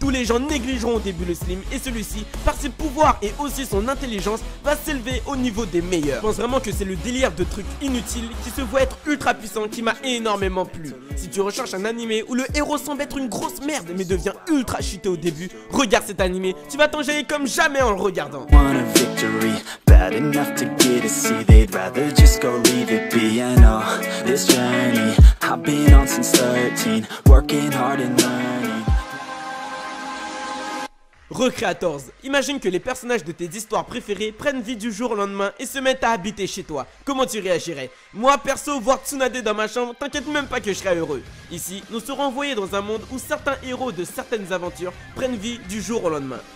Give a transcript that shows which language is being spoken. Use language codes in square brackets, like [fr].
[fr] Tous les gens négligeront au début le Slim et celui-ci, par ses pouvoirs et aussi son intelligence, va s'élever au niveau des meilleurs. Je pense vraiment que c'est le délire de trucs inutiles qui se voit être ultra puissant qui m'a énormément plu. Si tu recherches un animé où le héros semble être une grosse merde mais devient ultra cheaté au début, regarde cet animé, tu vas t'enjailler comme jamais en le regardant. [en] Want a victory, bad enough to get a C, they'd rather just go leave it be. And oh, this journey, I've been on since 13, working hard and learning. [fr] Recreators, imagine que les personnages de tes histoires préférées prennent vie du jour au lendemain et se mettent à habiter chez toi. Comment tu réagirais? Moi, perso, voir Tsunade dans ma chambre, t'inquiète même pas que je serais heureux. Ici, nous serons envoyés dans un monde où certains héros de certaines aventures prennent vie du jour au lendemain.